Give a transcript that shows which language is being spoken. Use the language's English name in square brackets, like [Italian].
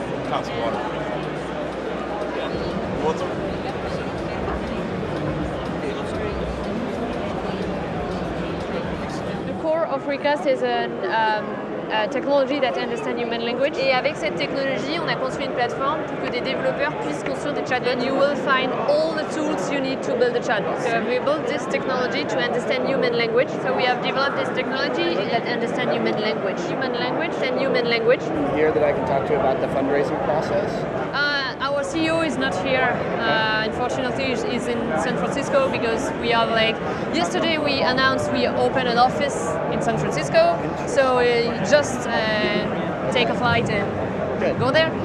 [English] Pass water. The core of Recast is a technology that understands human language. [French] Et avec cette technologie, on a construit une plateforme pour que des développeurs puissent construire des chatbots. [English] And you will find all the tools you need to build a chatbot. So we built this technology to understand human language. So we have developed this technology that understands human language. Human language and human language. Here that I can talk to about the fundraising process. Our CEO is not here, unfortunately, he's in San Francisco because we are like, yesterday we announced we opened an office in San Francisco, so just take a flight and go there.